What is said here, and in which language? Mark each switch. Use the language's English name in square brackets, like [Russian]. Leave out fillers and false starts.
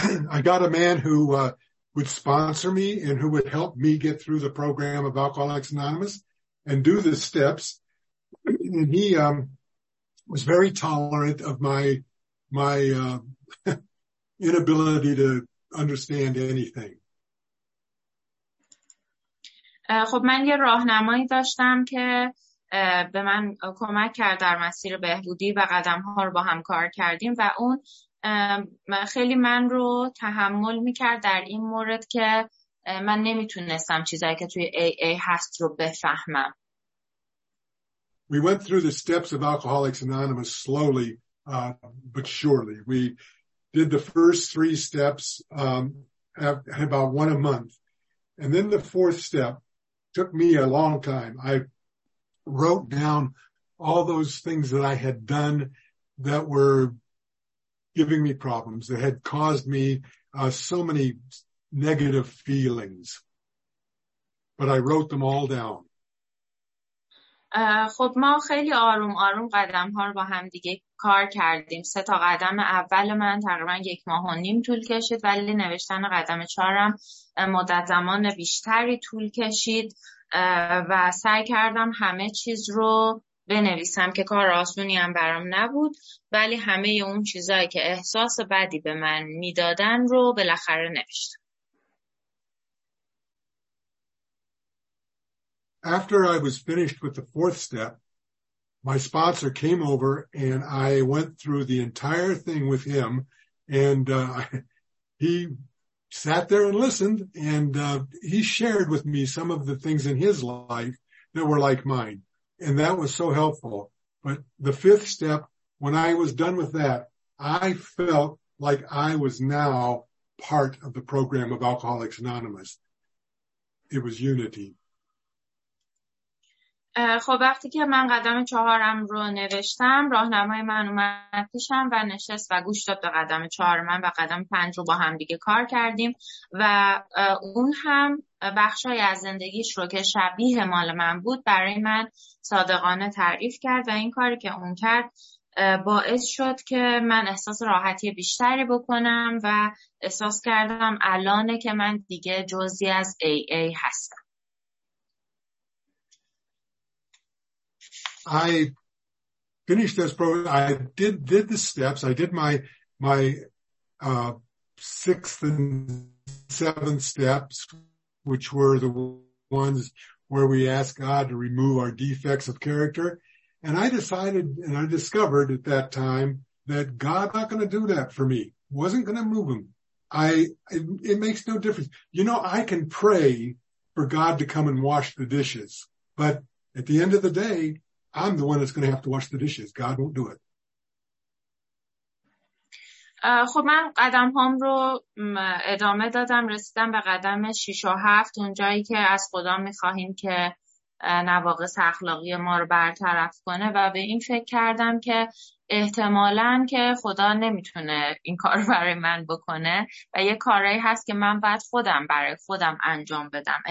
[English] I got a man who would sponsor me and who would help me get through the program of Alcoholics Anonymous and do the steps. And he was very tolerant of my inability to understand anything. [Persian] خب من یه راهنمایی داشتم که به من کمک کرد در مسیر بهبودی و قدم‌ها رو با هم کار کردیم و اون خیلی من رو تحمل می‌کرد در این مورد که من نمیتونستم چیزایی که توی AA هست رو بفهمم. [English] We went through the steps of Alcoholics Anonymous slowly but surely. We did the first three steps at about one a month. And then the fourth step took me a long time. I wrote down all those things that I had done that were giving me problems, that had caused me so many negative feelings. But I wrote them all down. [Persian] خب ما خیلی آروم آروم قدم ها رو با هم دیگه کار کردیم. سه تا قدم اول من تقریبا یک ماه و نیم طول کشید، ولی نوشتن قدم چهارم مدت زمان بیشتری طول کشید و سعی کردم همه چیز رو بنویسم که کار آسونی هم برام نبود، ولی همه اون چیزایی که احساس بدی به من میدادن رو بالاخره نوشتم. [English] After I was finished with the fourth step, my sponsor came over and I went through the entire thing with him, and he sat there and listened, and he shared with me some of the things in his life that were like mine, and that was so helpful. But the fifth step, when I was done with that, I felt like I was now part of the program of Alcoholics Anonymous. It was unity. [Persian] خب وقتی که من قدم چهارم رو نوشتم، راهنمای من اومد پیشم و نشست و گوش داد به قدم چهار من و قدم پنج رو با هم دیگه کار کردیم و اون هم بخشای از زندگیش رو که شبیه مال من بود برای من صادقانه تعریف کرد و این کاری که اون کرد باعث شد که من احساس راحتی بیشتری بکنم و احساس کردم الانه که من دیگه جزی از AA هستم. [English] I finished this program. I did the steps. I did my sixth and seventh steps, which were the ones where we ask God to remove our defects of character. And I decided and I discovered at that time that God's not going to do that for me. Wasn't going to move him. It makes no difference. You know, I can pray for God to come and wash the dishes, but at the end of the day, I'm the one that's going to have to wash the dishes. God won't do it. [Persian] خب من قدم هام رو ادامه دادم، رسیدم به قدم 6 و 7، اونجایی که از خدا می‌خواهیم که نواقص اخلاقی ما رو برطرف کنه، و به این فکر کردم که احتمالاً که خدا نمیتونه این کار برای من بکنه و یه کارایی هست که من باید خودم برای خودم انجام بدم.